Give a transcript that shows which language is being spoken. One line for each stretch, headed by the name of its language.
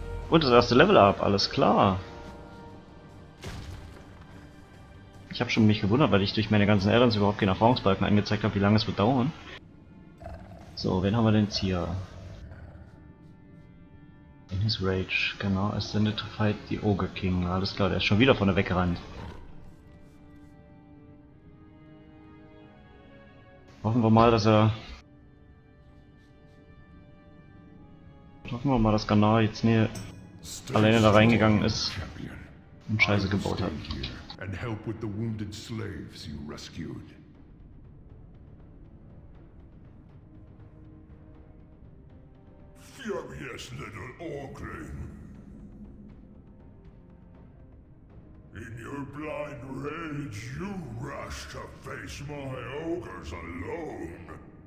German: Und das erste Level up, alles klar. Ich habe schon mich gewundert, weil ich durch meine ganzen Addons überhaupt keinen Erfahrungsbalken angezeigt habe, wie lange es wird dauern. So, wen haben wir denn jetzt hier?
English: In his rage, genau, ascended to fight the Ogre King.
German: Alles klar, der ist schon wieder vorne weggerannt. Hoffen wir mal, dass Ganar jetzt nicht alleine da reingegangen ist und Scheiße gebaut hat.
English: Und help with the wounded slaves you rescued. Furious little Orkling. In your blind rage, you rush to face my ogres alone.